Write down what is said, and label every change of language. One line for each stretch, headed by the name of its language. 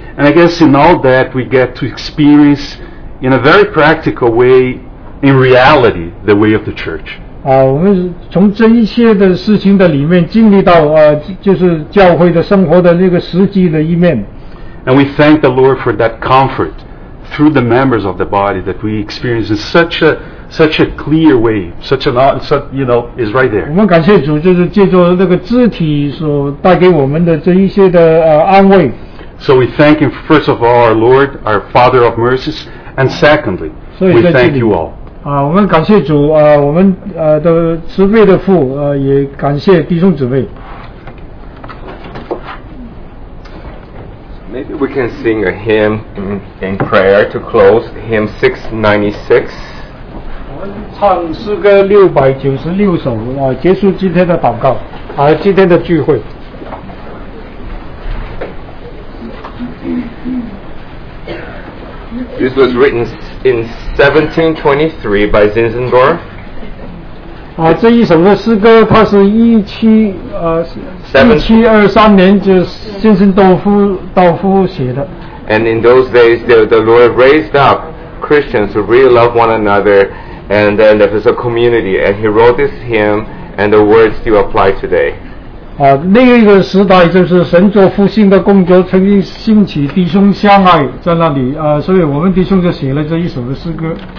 English: And I guess in all that we get to experience in a very practical way, in reality, the way of the church.
Chinese: 我们从这一些的事情的里面经历到就是教会的生活的那个实际的一面。
English: And we thank the Lord for that comfort through the members of the body that we experience in such a clear way, is right there.
Chinese: 我们感谢主，就是借助那个肢体所带给我们的这一些的安慰。
English: So we thank Him first of all, our Lord, our Father of mercies, and secondly, we thank you all.
Chinese: 我们感谢主我们的慈悲的父也感谢弟兄姊妹。
English: Maybe we can sing a hymn in prayer to close, hymn 696.
Chinese: 我们唱诗歌696首结束今天的祷告今天的聚会。
English: This was written in 1723 by Zinzendorf.
Chinese: 这一首的诗歌它是1723年就是道夫写的。
English: And in those days, the Lord raised up Christians who really love one another, and then there was a community, and he wrote this hymn, and the words still apply today.
Chinese: 那个时代就是神作复兴的工作曾经兴起弟兄相爱在那里所以我们弟兄就写了这一首的诗歌。